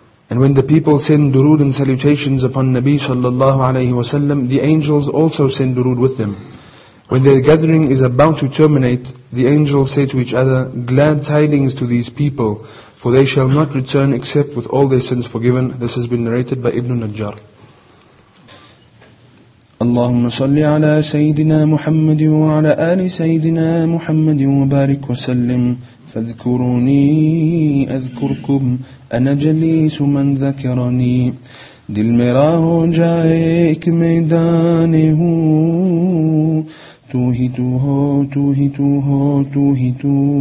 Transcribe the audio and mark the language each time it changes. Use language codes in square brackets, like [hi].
[en] And when the people send durood and salutations upon Nabi sallallahu alayhi wa sallam, the angels also send durood with them. When their gathering is about to terminate, the angels say to each other, glad tidings to these people, for they shall not return except with all their sins forgiven. This has been narrated by Ibn Najjar. [ar] اللهم صل على سيدنا محمد وعلى آل سيدنا محمد وبارك وسلم. فاذكروني أذكركم، أنا جليس من ذكرني. [ur] دل میرا ہو جائے ایک میدان ہوں، تو ہی تو ہو، تو ہی تو ہو، تو ہی تو.